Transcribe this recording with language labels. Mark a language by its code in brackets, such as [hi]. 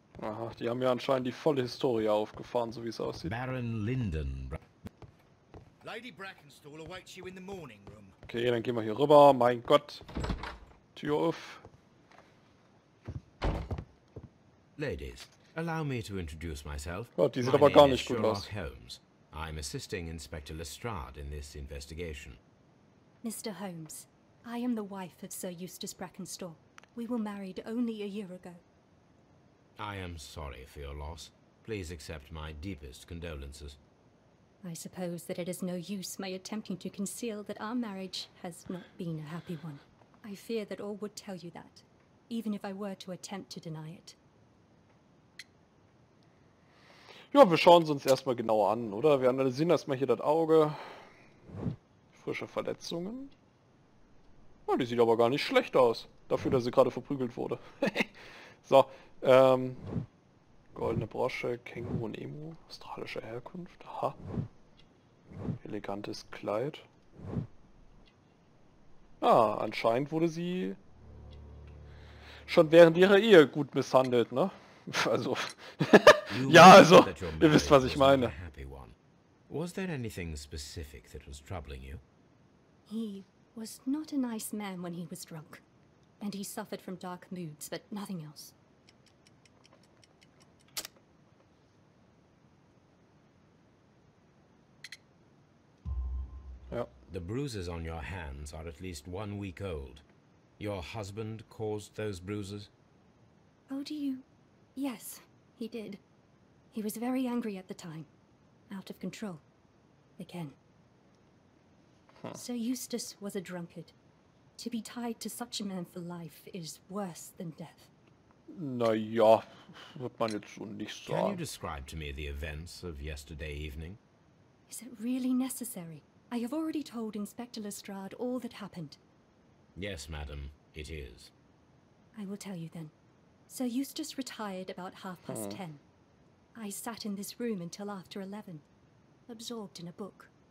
[de] Aha, die haben ja anscheinend die volle Historie aufgefahren, so wie es aussieht. [en] Baron Linden. Lady Brackenstall awaits you in the morning room. [de] Okay, dann gehen wir hier rüber. Mein Gott. Tür auf. [en] Ladies, allow me to introduce myself. [de] Oh, die sieht aber gar nicht gut aus. [en] Sherlock Holmes. I'm assisting Inspector Lestrade in this investigation. Mr. Holmes, I am the wife of Sir Eustace Brackenstall. We were married only a year ago. I am sorry for your loss. Please accept my deepest condolences. I suppose that it is no use my attempting to conceal that our marriage has not been a happy one. I fear that all would tell you that, even if I were to attempt to deny it. [de] Ja, wir schauen es uns erstmal genauer an, oder? Wir analysieren erstmal hier das Auge. Frische Verletzungen. Ja, die sieht aber gar nicht schlecht aus, dafür, dass sie gerade verprügelt wurde. So, goldene Brosche, Känguru und Emu, australische Herkunft, aha. Elegantes Kleid. Ah, anscheinend wurde sie schon während ihrer Ehe gut misshandelt, ne? Also, ja, also, ihr wisst, was ich meine. [en] Was there anything specific that was troubling you? He was not a nice man when he was drunk. And he suffered from dark moods, but nothing else. The bruises on your hands are at least 1 week old. Your husband caused those bruises? Oh, do you? Yes, he did. He was very angry at the time. Out of control. Again. Sir Eustace was a drunkard. To be tied to such a man for life is worse than death. [de] Na ja, wird man jetzt so nicht sagen. [en] Can you describe to me the events of yesterday evening? Is it really necessary? I have already told Inspector Lestrade all that happened. Yes, madam, it is. I will tell you then. Sir Eustace retired about 10:30. I sat in this room until after 11, absorbed in a book.